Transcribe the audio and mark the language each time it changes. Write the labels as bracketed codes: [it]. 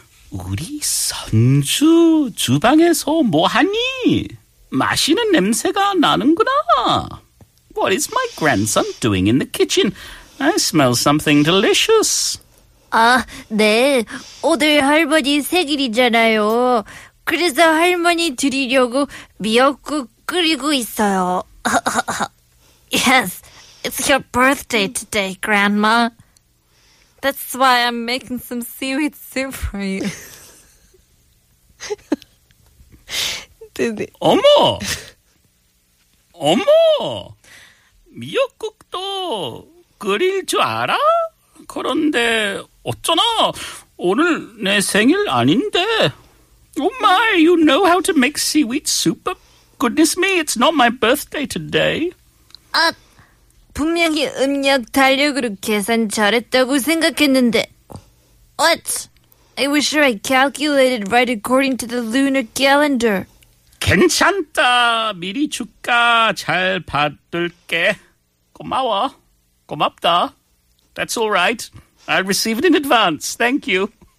[ko] 우리 선주 주방에서 뭐 하니? 맛있는 냄새가 나는구나. [en] What is my grandson doing in the kitchen? I smell something delicious. [ko] 아, 네. 오늘 할머니 생일이잖아요. 그래서 할머니 드리려고 미역국 끓이고 있어요. [en] Yes, it's your birthday today, Grandma. That's why I'm making some seaweed soup for you. [ko] 어머! 어머! 미역국도 끓일 줄 알아? 그런데 어쩌나 오늘 내 생일 아닌데. [en] Oh my, you know how to make seaweed soup, but goodness me, it's not my birthday today. [ko] 아, 분명히 음력 달력으로 계산 잘했다고 생각했는데. [en] What? I wish I calculated right according to the lunar calendar. [ko] 괜찮다. 미리 축하 잘 받을게. 고마워. 고맙다. [en] That's all right. I received it in advance. Thank you.